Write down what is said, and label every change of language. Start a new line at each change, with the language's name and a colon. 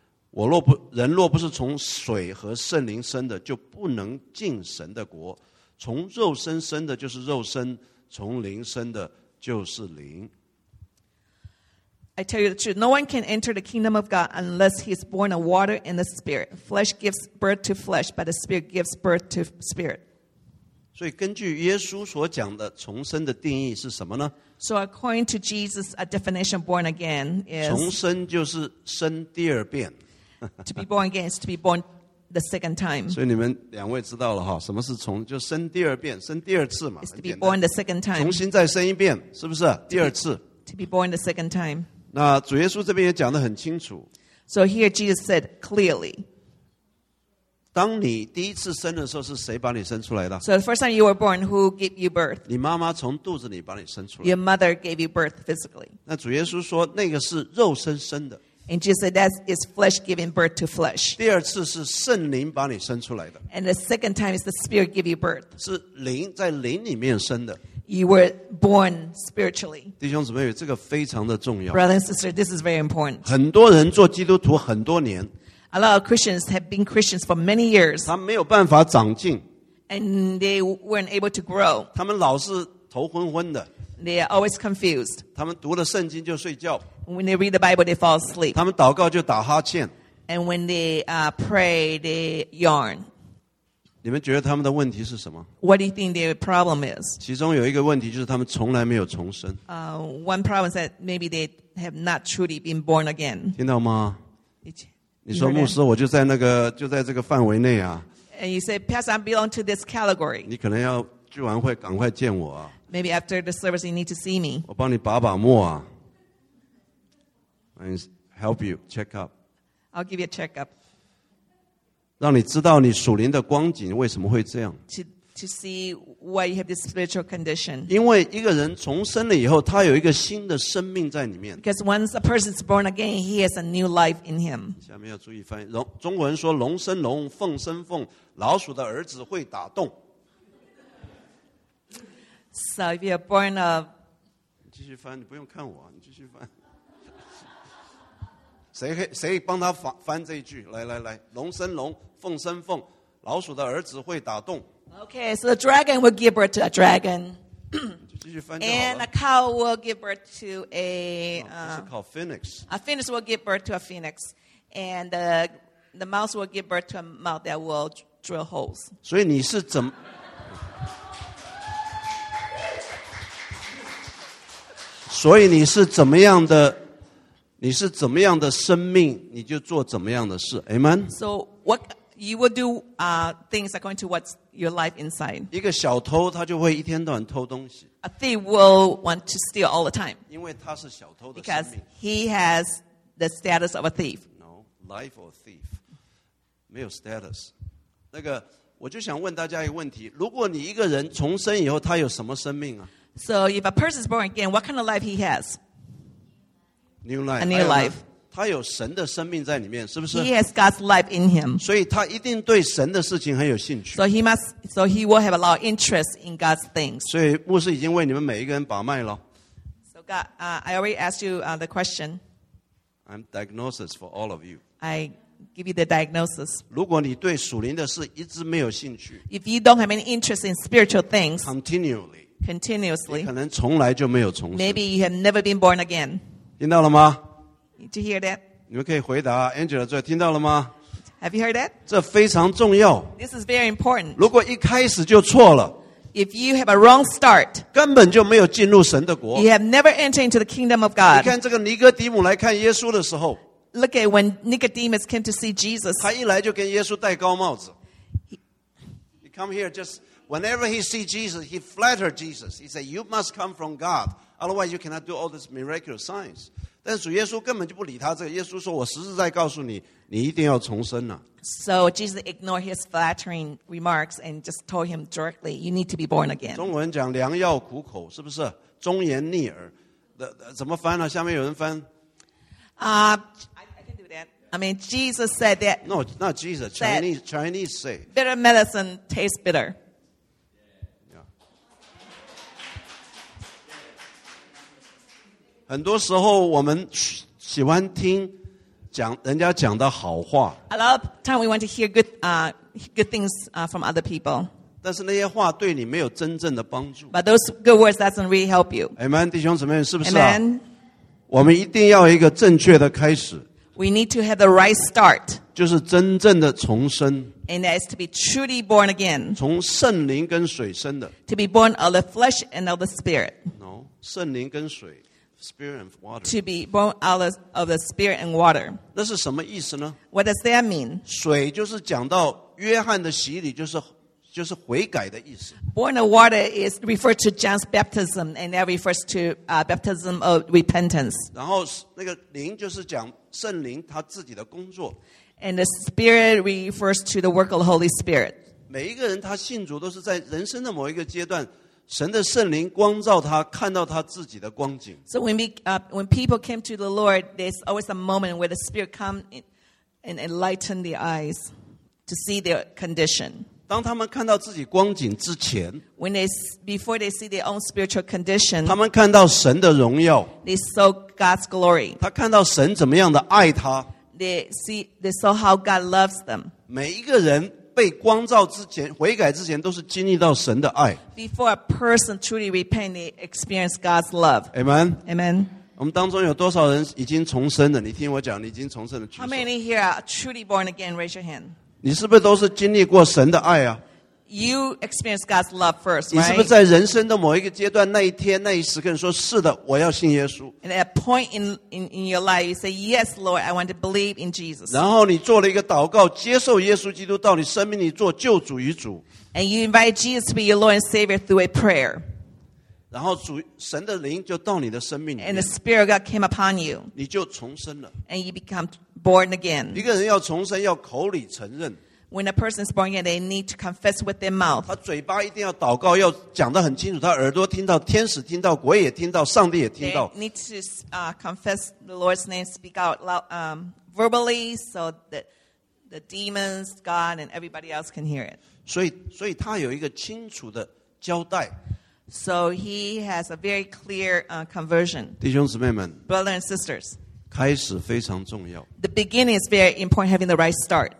Chinese: 我若不人若不是从水和圣灵生的，就不能进神的国。从肉身生的就是肉身，从灵生的就是灵。
English: I tell you the truth, no one can enter the kingdom of God unless he is born of water and the Spirit. Flesh gives birth to flesh, but the Spirit gives birth to spirit.
Chinese: 所以根据耶稣所讲的重生的定义是什么呢？
English: So according to Jesus, a definition born again is
Chinese: 重生就是生第二遍。
English: To be born again is to be born the second time.
Chinese: 所以你们两位知道了什么是重就生第二遍，生第二次嘛。
English: It's to be born the second time.
Chinese: 重新再生一遍，是不是？第二次。
English: To be born the second time.
Chinese: 那主耶稣这边也讲得很清楚。
English: So here Jesus said clearly.
Chinese: 当你第一次生的时候，是谁把你生出来的？
English: So the first time you were born, who gave you birth?
Chinese: 你妈妈从肚子里把你生出来。
English: Your mother gave you birth physically.
Chinese: 那主耶稣说，那个是肉身生的。
English: And Jesus said, that is flesh giving birth to flesh.
Chinese: 第二次是圣灵把你生出来的。
English: And the second time is the Spirit give you birth.
Chinese: 是灵在灵里面生的。
English: You were born spiritually.
Chinese: 弟兄姊妹，这个非常的重要。
English: Brother and sister, this is very important.
Chinese: 很多人做基督徒很多年。
English: A lot of Christians have been Christians for many years.
Chinese: 他没有办法长进。
English: And they weren't able to grow.
Chinese: 他们老是头昏昏的。
English: They are always confused.
Chinese: 他们读了圣经就睡觉。
English: When they read the Bible, they fall asleep.
Chinese: 他们祷告就打哈欠。
English: And when they pray, they yawn.
Chinese: 你们觉得他们的问题是什么？
English: What do you think their problem is?
Chinese: 其中有一个问题就是他们从来没有重生。
English: One problem is that maybe they have not truly been born again.
Chinese: 听到吗？你说牧师，我就在那个就在这个范围内啊。
English: And you say, Pastor, I belong to this category.
Chinese: 你可能要聚完会赶快见我啊。
English: Maybe after the service, you need to see me.
Chinese: 我帮你把把墨啊。
English: And help you check up. I'll give you a check up.
Chinese: 让你知道你属灵的光景为什么会这样。
English: To see why you have this spiritual condition.
Chinese: 因为一个人重生了以后，他有一个新的生命在里面。
English: Because once a person is born again, he has a new life in him.
Chinese: 下面要注意翻译。中国人说龙生龙，凤生凤，老鼠的儿子会打洞。
English: So if you're born of.
Chinese: 你继续翻，你不用看我，你继续翻。谁帮他 翻这一句？来来来，龙生龙，凤生凤，老鼠的儿子会打洞。
English: Okay, so the dragon will give birth to a dragon.
Chinese: 继续翻就好了。
English: And a cow will give birth to a. 这是 called phoenix. A phoenix will give birth to a phoenix, and the mouse will give birth to a mouse that will drill holes.
Chinese: 所以你是怎么？所以你是怎么样的？你是怎么样的生命，你就做怎么样的事。
English: Amen. So what you will do, things according to what's your life inside.
Chinese: 一个小偷，他就会一天到晚偷东西。
English: A thief will want to steal all the time.
Chinese: 因为他是小偷的生命。
English: Because he has the status of a thief. No, life of a thief.
Chinese: 没有
English: status。
Chinese: 那个我就想问大家一个问题，如果你一个人重生以后他有什么生命啊？
English: So if a person is born again, what kind of life he has? New life. A new life.
Chinese: 他有神的生命在里面，是不是？
English: He has God's life in him.
Chinese: 所以他一定对神的事情很有兴趣。
English: So he will have a lot of interest in God's things.
Chinese: 所以牧师已经为你们每一个人把脉了。
English: So God, I already asked you the question. I'm diagnosis for all of you. I give you the diagnosis.
Chinese: 如果你对属灵的事一直没有兴趣，
English: If you don't have any interest in spiritual things, continuously,
Chinese: 你可能从来就没有重生。
English: Maybe you have never been born again.
Chinese: 听到了吗？
English: Did you hear that?
Chinese: 你们可以回答 Angela 最后听到了吗？
English: Have you heard that?
Chinese: 这非常重要。
English: This is very important.
Chinese: 如果一开始就错了，
English: If you have a wrong start,
Chinese: 根本就没有进入神的国，
English: You have never entered into the kingdom of God.
Chinese: 你看这个尼哥底母来看耶稣的时候，
English: Look at when Nicodemus came to see Jesus.
Chinese: 他一来就跟耶稣戴高帽子。
English: He come here just whenever he see Jesus, he flattered Jesus. He said, you must come from God. Otherwise, you cannot do all these miraculous signs.
Chinese: 但主耶稣根本就不理他这个。耶稣说：“我实实在告诉你，你一定要重生了。”
English: So Jesus ignored his flattering remarks and just told him directly, "You need to be born again."
Chinese: 中文讲良药苦口，是不是？忠言逆耳，怎么翻呢？下面有人翻。
English: I can do that. I mean, Jesus said that. No, not Jesus. Chinese say bitter medicine tastes bitter.
Chinese: 很多时候我们喜欢听讲人家讲的好话。
English: A lot of time we want to hear good things from other people.
Chinese: 但是那些话对你没有真正的帮助。
English: But those good words doesn't really help you.
Chinese: Amen, 弟兄姊妹，是不是啊？
English: Amen.
Chinese: 我们一定要一个正确的开始。
English: We need to have the right start.
Chinese: 就是真正的重生。
English: And that is to be truly born again.
Chinese: 从圣灵跟水生的。
English: To be born of the flesh and of the spirit. No,
Chinese: 圣灵跟水。
English: Spirit and water. To be born out of the spirit and water.
Chinese: 那是什么意思呢？
English: What does that mean?
Chinese: 水就是讲到约翰的洗礼，就是悔改的意思。
English: Born of water is referred to John's baptism, and that refers to baptism of repentance.
Chinese: 然后那个灵就是讲圣灵他自己的工作。
English: And the spirit refers to the work of the Holy Spirit.
Chinese: 每一个人他信主都是在人生的某一个阶段。神的圣灵光照他，看到他自己的光景。
English: So when people came to the Lord, there's always a moment where the Spirit come and enlighten the eyes to see their condition.
Chinese: 当他们看到自己光景之前，
English: before they see their own spiritual condition,
Chinese: 他们看到神的荣耀，
English: they saw God's glory.
Chinese: 他看到神怎么样的爱他，
English: they saw how God loves them.
Chinese: 每一个人被光照之前，悔改之前，都是经历到神的爱。
English: Before a person truly repent, they experience God's love. Amen. Amen.
Chinese: 我们当中有多少人已经重生了？你听我讲，你已经重生了。
English: How many here are truly born again? Raise your hand.
Chinese: 你是不是都是经历过神的爱啊？
English: You experience God's love first, right?
Chinese: 你是不是在人生的某一个阶段，那一天，那一时刻，你说是的，我要信耶稣。
English: And at a point in your life, you say, yes, Lord, I want to believe in Jesus.
Chinese: 然后你做了一个祷告，接受耶稣基督到你生命里做救主与主。
English: And you invite Jesus to be your Lord and Savior through a prayer.
Chinese: 然后主神的灵就到你的生命里面。
English: And the Spirit of God came upon you.
Chinese: 你就重生了。
English: And you become born again.
Chinese: 一个人要重生，要口里承认。
English: When a person is born again, they need to confess with their mouth.
Chinese: 他嘴巴一定要祷告，要讲得很清楚。他耳朵听到，天使听到，鬼也听到，上帝也听到。
English: They need to confess the Lord's name, speak out loud, verbally, so that the demons, God, and everybody else can hear it.
Chinese: 所以他有一个清楚的交代。
English: So he has a very clear conversion.
Chinese: 弟兄姊妹们
English: ，brothers and sisters.
Chinese: 开始非常重要。
English: The beginning is very important, having the right start.